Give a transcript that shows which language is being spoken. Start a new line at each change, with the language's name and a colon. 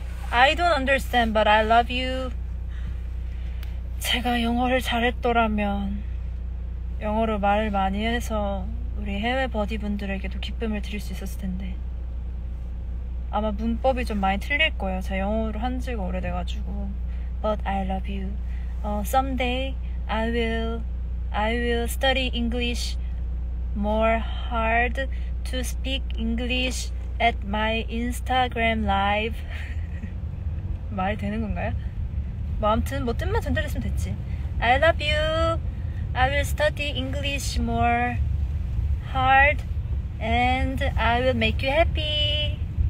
English: 'I don't understand, but I love you.
Korean: 제가 영어를 잘했더라면 영어로 말을 많이 해서 우리 해외 버디분들에게도 기쁨을 드릴 수 있었을 텐데. 아마 문법이 좀 많이 틀릴 거예요. 제가 영어로 한 지가 오래돼가지고.
English: But I love you. Someday I will study English more hard to speak English at my Instagram live.
Korean: 말이 되는 건가요? 뭐 아무튼 뭐 뜻만 전달했으면 됐지.
English: I love you. I will study English more hard and I will make you happy.